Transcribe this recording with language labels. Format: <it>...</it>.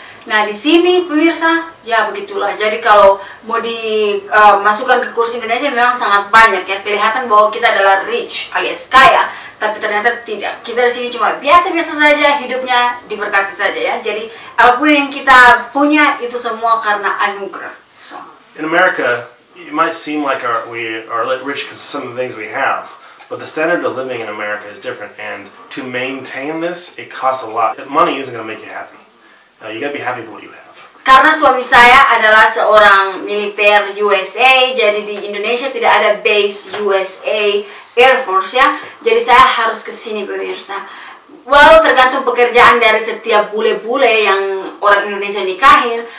<id>Nah di sini pemirsa ya begitulah. Jadi kalau mau dimasukkan ke kurs Indonesia memang sangat banyak ya. Kelihatan bahwa kita adalah rich alias kaya. Tapi ternyata tidak. Kita di sini cuma biasa-biasa saja, hidupnya diberkati saja ya. Jadi apapun yang kita punya itu semua karena anugerah.</id> <en>So. In America, it might seem like we are rich because of some of the things we have, but the standard of living in America is different. And to maintain this, it costs a lot. Money isn't going to make you happy. You got to be happy with what you have.</en> <id>Karena suami saya adalah seorang militer USA, jadi di Indonesia tidak ada base USA. Air Force ya, jadi saya harus kesini pemirsa. Well, tergantung pekerjaan dari setiap bule-bule yang orang Indonesia nikahin.</id>